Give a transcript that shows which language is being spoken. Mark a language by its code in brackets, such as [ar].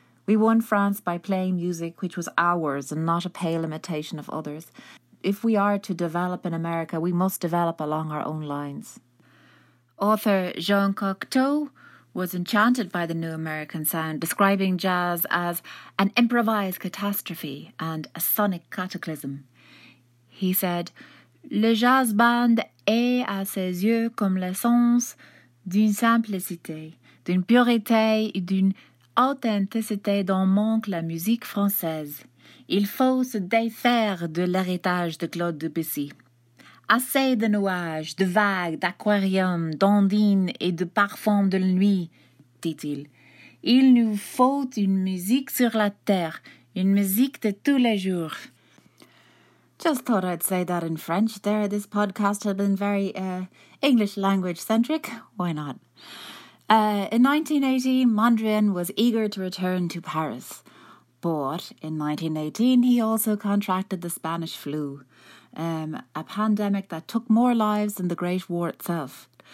[en] We won France by playing music which was ours and not a pale imitation of others. If we are to develop in America, we must develop along our own lines." Author Jean Cocteau was enchanted by the new American sound, describing jazz as an improvised catastrophe and a sonic cataclysm. He said, [fr] "Le jazz band est à ses yeux comme l'essence d'une simplicité, d'une pureté et d'une authenticité dont manque la musique française. Il faut se défaire de l'héritage de Claude Debussy. Assez de nuages, de vagues, d'aquariums, d'ondines et de parfums de la nuit, dit-il. Il nous faut une musique sur la terre, une musique de tous les jours." [en] Just thought I'd say that in French there. This podcast has been very English language centric. Why not? In 1980, Mondrian was eager to return to Paris. But in 1918, he also contracted the Spanish flu, a pandemic that took more lives than the Great War itself.